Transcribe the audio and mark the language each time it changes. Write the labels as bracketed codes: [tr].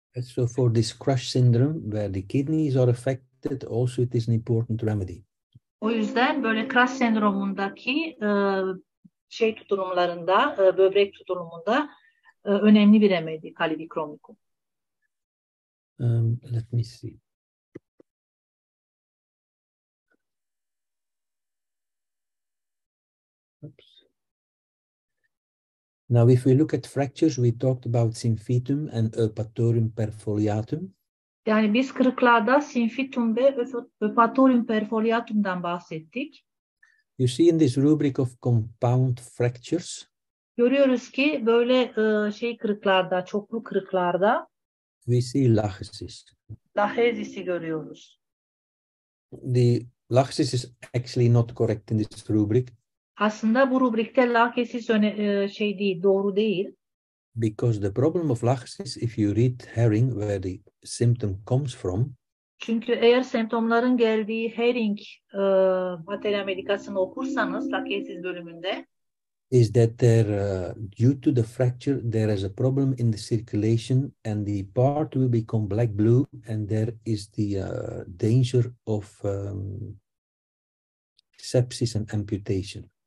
[en] So for this crush syndrome where the kidneys are affected, also it is an important remedy. [tr] O yüzden böyle crush sendromundaki tutulumlarında, böbrek tutulumunda önemli bir remedi kalibikromikum. [en] Let me see. Now, if we look at fractures, we talked about symphytum and eupatorium perfoliatum. [tr] Yani biz kırıklarda symphytum ve eupatorium perfoliatum'dan bahsettik. [en] You see in this rubric of compound fractures. [tr] Görüyoruz ki böyle kırıklarda, çoklu kırıklarda. [en] We see lachesis. [tr] Lachesis'i görüyoruz. [en] The lachesis is actually not correct in this rubric. [tr] Aslında bu rubrikte lachesis değil, doğru değil. [en] Because the problem of lachesis, if you read herring where the symptom comes from. [tr] Çünkü eğer semptomların geldiği herring materia medicasını okursanız lachesis bölümünde. [en] Is that there due to the fracture there is a problem in the circulation and the part will become black blue and there is the danger of sepsis and amputation.